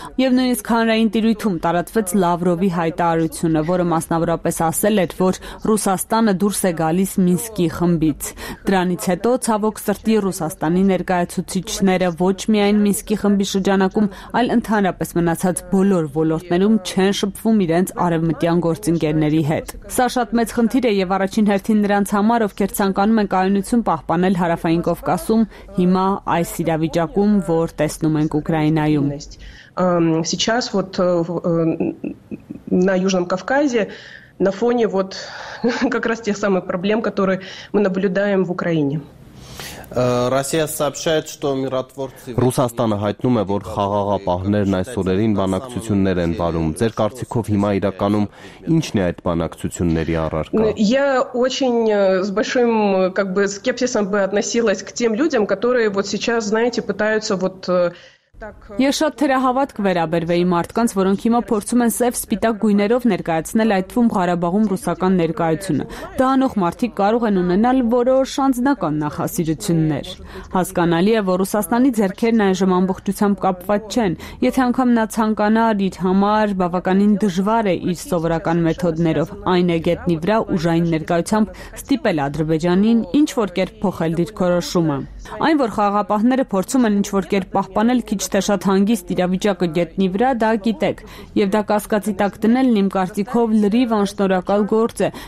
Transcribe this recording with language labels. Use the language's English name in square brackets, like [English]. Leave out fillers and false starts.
[Armenian] Եվ նույնիսկ հանրային տիրույթում տարածվեց Լավրովի հայտարարությունը, որը մասնավորապես ասել էր, որ Ռուսաստանը դուրս է գալիս Մինսկի խմբից։ Դրանից հետո ցավոք սրտի Ռուսաստանի ներկայացուցիչները ոչ միայն Մինսկի խմբի շրջանակում, այլ ընդհանրապես մնացած բոլոր ոլորտներում չեն շփվում իրենց արևմտյան գործընկերների հետ։ Սա շատ մեծ խնդիր է և առաջին հերթին նրանց համար, ովքեր ցանկանում են կայունություն պահպանել Հարավային Կովկասում հիմա այս իրավիճակում, որ տեսնում ենք Ուկրաինայում։ [Russian] Сейчас вот на Южном Кавказе на фоне вот как раз тех самых проблем, которые мы наблюдаем в Украине. [Armenian] Ռուսաստանը հայտնում է, որ խաղաղապահներն այս օրերին բանակցություններ են վարում։ Ձեր կարծիքով հիմա իրականում ի՞նչն է այդ բանակցությունների առարկա։ [Russian] Я очень с большим скепсисом бы относилась к тем людям, которые вот сейчас, знаете, пытаются вот [Armenian] Ես շատ թերահավատք վերաբերվեի մարդկանց, որոնք հիմա փորձում են սև սպիտակ գույներով ներկայացնել այդ թվում Ղարաբաղում ռուսական ներկայությունը։ Դա անող մարդիկ կարող են ունենալ որոշ անձնական նախասիրություններ։ Հասկանալի է, որ Ռուսաստանի ձեռքերն այժմ ամբողջությամբ կապված չեն, եթե անգամ նա ցանկանար, իր համար բավականին դժվար է իր սովորական մեթոդներով այն գետնի վրա ուժային ներկայությամբ ստիպել Ադրբեջանին ինչ որ կերպ փոխել դիրքորոշումը։ Այն, որ խաղապահները փորձում են ինչ-որ կերպ պահպանել քիչ թե շատ հանգիստ իրավիճակը գետնի վրա, դա գիտեք, և դա կասկածի տակ դնելն իմ կարծիքով լրիվ անշնորհակալ գործ է,